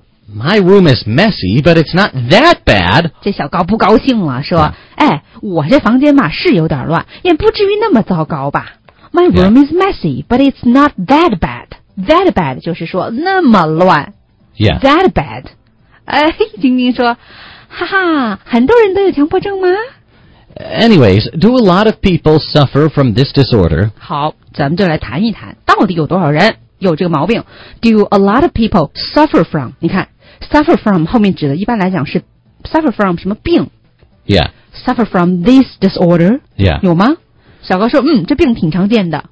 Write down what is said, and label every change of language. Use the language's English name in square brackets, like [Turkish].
[English] My room is messy, but it's not that bad. [Chinese] 这小高不高兴了，说：“哎，我这房间嘛是有点乱，也不至于那么糟糕吧。 [English] My room is messy, but it's not that bad. [Chinese] That bad 就是说那么乱。 [English] Yeah. That bad. [Chinese] 哎，晶晶说：“哈哈，很多人都有强迫症吗？” [English] Anyways, do a lot of people suffer from this disorder? [Chinese] 好，咱们就来谈一谈，到底有多少人有这个毛病。 [English] Do a lot of people suffer from, [Chinese] 你看 suffer from 后面指的一般来讲是 suffer from 什么病。 [English] Yeah. Suffer from this disorder. Yeah. [Chinese] 有吗？小高说这病挺常见的。